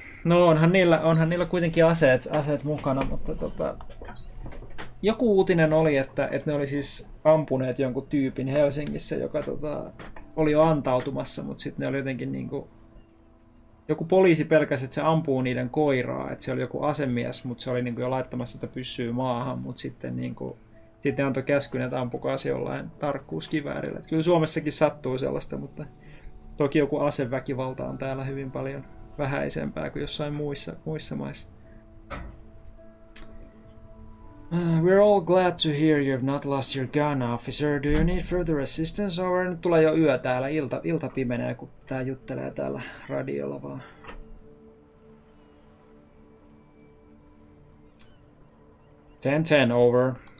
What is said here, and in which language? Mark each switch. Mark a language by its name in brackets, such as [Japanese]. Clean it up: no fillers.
[Finnish] No onhan niillä kuitenkin aseet mukana, mutta joku uutinen oli, että ne oli siis ampuneet jonkun tyypin Helsingissä, joka oli jo antautumassa, mutta sitten ne oli jotenkin niinku, joku poliisi pelkäsi, että se ampuu niiden koiraa, että se oli joku asemies, mutta se oli niinku jo laittamassa, että pyssyy maahan, mutta sitten niinku, sit ne antoi käskyn, että ampukaa se jollain tarkkuuskiväärillä. Et kyllä Suomessakin sattuu sellaista, mutta toki joku aseväkivalta on täällä hyvin paljon vähäisempää kuin jossain muissa maissa. [English] We're all glad to hear you've not lost your gun, officer. Do you need further assistance? Over. [Finnish] Nyt tulee jo yö täällä, ilta pimenee, kun tää juttelee täällä radiolla vaan. [English] Ten ten, over.